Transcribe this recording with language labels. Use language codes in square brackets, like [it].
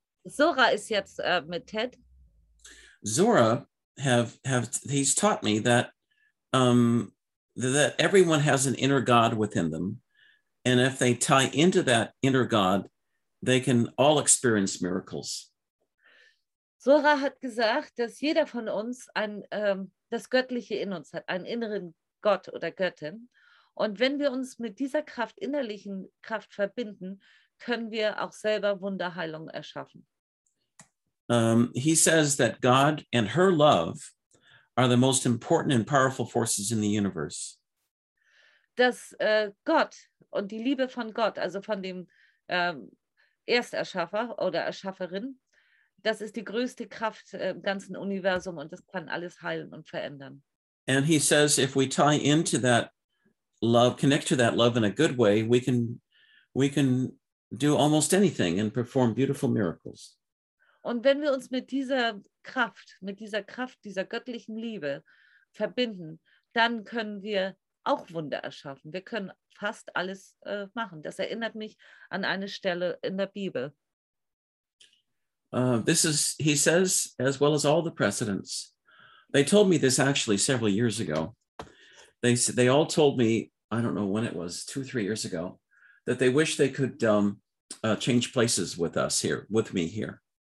[de] Zora is jetzt mit Ted. [en] Zora, he's taught me that that everyone has an inner God within them. And if they tie into that inner God, they can all experience miracles. [de] Zora hat gesagt, dass jeder von uns das Göttliche in uns hat, einen inneren Gott oder Göttin. Und wenn wir uns mit dieser Kraft, innerlichen Kraft verbinden, können wir auch selber Wunderheilung erschaffen. [en] He says that God and her love are the most important and powerful forces in the universe. [de] Dass Gott und die Liebe von Gott, also von dem Ersterschaffer oder Erschafferin, das ist die größte Kraft im ganzen Universum und das kann alles heilen und verändern. [en] And he says, if we tie into that love, connect to that love in a good way, we can do almost anything and perform beautiful miracles. [de] Und wenn wir uns mit dieser Kraft, dieser göttlichen Liebe verbinden, dann können wir auch Wunder erschaffen. Wir können fast alles machen. Das erinnert mich an eine Stelle in der Bibel. [en] This is, he says, as well as all the presidents. They told me this actually several years ago. They all told me, I don't know when it was, 2-3 years ago, that they wish they could change places with us here, with me here.